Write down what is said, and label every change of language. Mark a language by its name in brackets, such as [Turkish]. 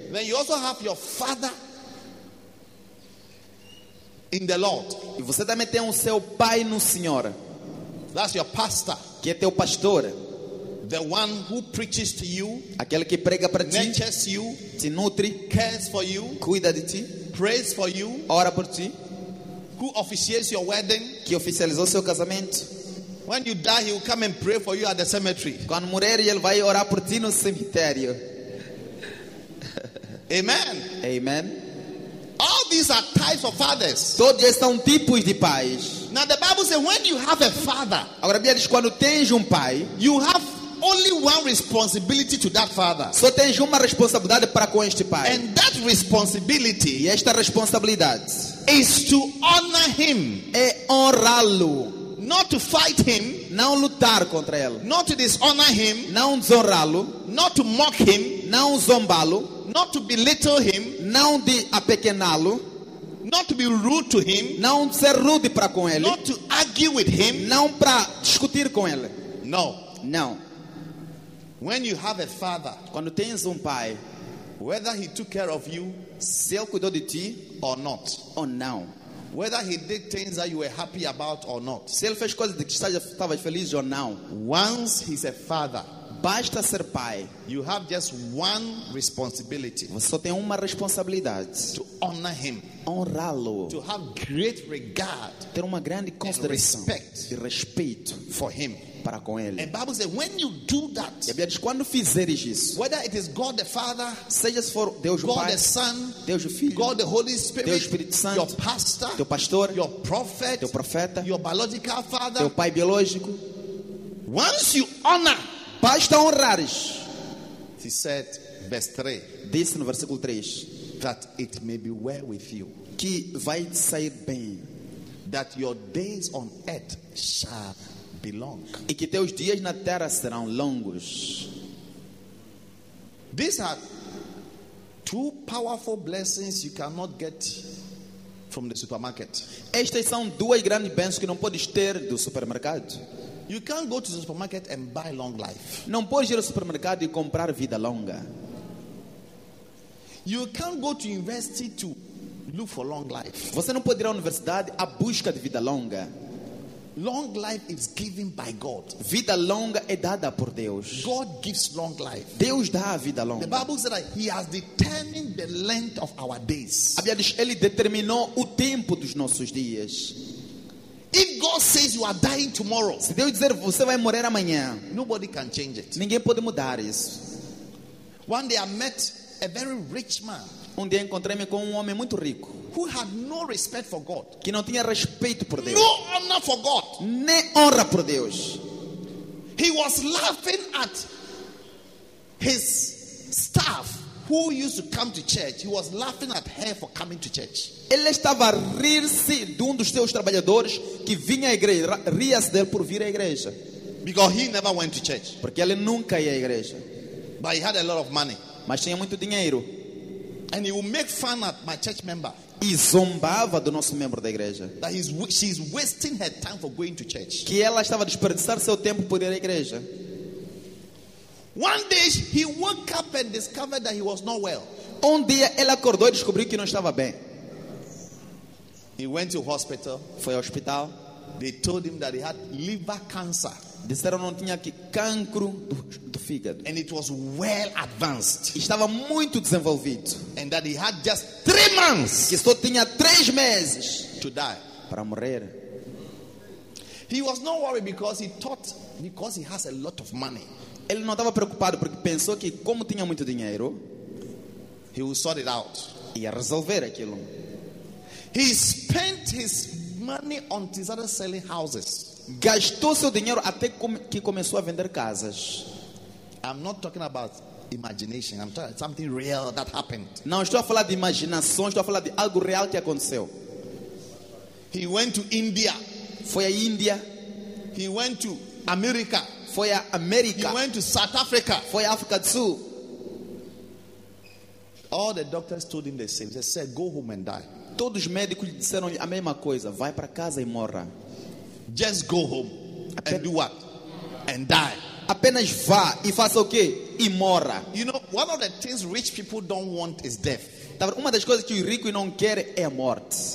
[English] Then you also have your father in the Lord. [Portuguese] E você também tem seu pai no Senhor. [English] That's your pastor. [Portuguese] Que é teu pastor. [English] The one who preaches to you, [Portuguese] aquele que prega para ti, [English] nurtures you, [Portuguese] te nutre, [English] cares for you, [Portuguese] cuida de ti, [English] prays for you, [Portuguese] ora por ti, [English] who officiates your wedding, [Portuguese] que oficializou seu casamento. [English] When you die, he will come and pray for you at the cemetery. [Portuguese] Quando morrer, ele vai orar por ti no cemitério. [English] Amen. [Portuguese] Amen. [English] All these are types of fathers. [Portuguese] Todos esses são tipos de pais. [English] Now the Bible says when you have a father, [Portuguese] agora a Bíblia diz quando tens pai, [English] you have only one responsibility to that father. [Portuguese] Só tens uma responsabilidade para com este pai. [English] And that responsibility, [Portuguese] e esta responsabilidade, [English] is to honor him. [Portuguese] É honrá-lo. [English] Not to fight him. [Portuguese] Não lutar contra ele. [English] Not to dishonor him. [Portuguese] Não desonrá-lo. [English] Not to mock him. [Portuguese] Não zombá-lo. [English] Not to belittle him. [Portuguese] Não de apequená-lo. [English] Not to be rude to him. [Portuguese] Não ser rude para com ele. [English] Not to argue with him. [Portuguese] Não para discutir com ele. [English] No. [Portuguese] Não. [English] When you have a father, [Portuguese] quando tens pai, [English] whether he took care of you, [Portuguese] se ele cuidou de ti, [English] or not, [Portuguese] ou não, [English] whether he did things that you were happy about or not, [Portuguese] se ele fez coisas de que estavas feliz ou não, [English] once he's a father, [Portuguese] basta ser pai, [English] you have just one responsibility, [Portuguese] você só tem uma responsabilidade, [English] to honor him, [Portuguese] honrá-lo, [English] to have great regard, [Portuguese] ter uma grande consideração, [English] respect, [Portuguese] e respeito [English] for him. [Portuguese] Para com ele. [English] And Bible says, when you do that, [Portuguese] e a Bíblia diz, quando fizeres isso, [English] whether it is God the Father, [Portuguese] seja for Deus [English] God [Portuguese] o Pai, [English] the Son, [Portuguese] Deus o Filho, [English] God the Holy Spirit, [Portuguese] Deus o Espírito Santo, [English] your pastor, [Portuguese] teu pastor, [English] your prophet, [Portuguese] teu profeta, [English] your biological father, [Portuguese] teu pai biológico, [English] once you honor, [Portuguese] basta honrares. [English] He said, verse 3, [Portuguese] disse no versículo 3, [English] that it may be well with you, [Portuguese] que vai sair bem, [English] that your days on earth shall be long. [Portuguese] E que teus dias na terra serão longos. [English] These are two powerful blessings you cannot get from the supermarket. [Portuguese] Estas são duas grandes bênçãos que não podes ter do supermercado. [English] You can't go to the supermarket and buy long life. [Portuguese] Não podes ir ao supermercado e comprar vida longa. [English] You can't go to university to look for long life. [Portuguese] Você não pode ir à universidade à busca de vida longa. [English] Long life is given by God. [Portuguese] Vida longa é dada por Deus. [English] God gives long life. [Portuguese] Deus dá a vida longa. [English] The Bible says that He has determined the length of our days. [Portuguese] A Bíblia diz, Ele determinou o tempo dos nossos dias. [English] If God says you are dying tomorrow, [Portuguese] se Deus dizer você vai morrer amanhã, [English] nobody can change it. [Portuguese] Ninguém pode mudar isso. [English] One day I met a very rich man. [Portuguese] Um dia encontrei-me com um homem muito rico. [English] Who had no respect for God? [Portuguese] Que não tinha respeito por Deus. [English] No honor for God. [Portuguese] Nem honra por Deus. [English] He was laughing at his staff who used to come to church. He was laughing at her for coming to church. [Portuguese] Ele estava a rir-se de dos seus trabalhadores que vinha à igreja, ria-se dele por vir à igreja. [English] Because he never went to church. [Portuguese] Porque ele nunca ia à igreja. [English] But he had a lot of money. [Portuguese] Mas tinha muito dinheiro. [English] And he would make fun at my church member. [Portuguese] E zombava do nosso membro da igreja. [English] That she is wasting her time for going to church. [Portuguese] Que ela estava a desperdiçar seu tempo por ir à igreja. [English] One day he woke up and discovered that he was not well. [Portuguese] Um dia ele acordou e descobriu que não estava bem. [English] He went to hospital. [Portuguese] Foi ao hospital. [English] They told him that he had liver cancer. [Portuguese] Disseram que não tinha cancro do fígado. [English] And it was well advanced. [Portuguese] Estava muito desenvolvido. [English] And that he had just 3 months. [Portuguese] Que só tinha 3 meses. [English] To die. [Portuguese] Para morrer. [English] He was not worried because he thought because he has a lot of money. [Portuguese] Ele não estava preocupado porque pensou que como tinha muito dinheiro, [English] he would sort it out. [Portuguese] Ia resolver aquilo. [English] He spent his money on Tizara selling houses. [Portuguese] Gastou seu dinheiro até que começou a vender casas. [English] I'm not talking about imagination. I'm talking about something real that happened. [Portuguese] Não estou a falar de imaginação, estou a falar de algo real que aconteceu. [English] He went to India. [Portuguese] Foi à Índia. [English] He went to America. [Portuguese] Foi à América. [English] He went to South Africa. [Portuguese] Foi à África do Sul. [English] All the doctors told him the same. They said, "Go home and die." [Portuguese] Todos os médicos lhe disseram a mesma coisa: vai para casa e morra. [English] Just go home and do what? And die. [Portuguese] Apenas vá e faça o quê? E morra. [English] You know, one of the things rich people don't want is death. [Portuguese] Uma das coisas que o rico não quer é a morte.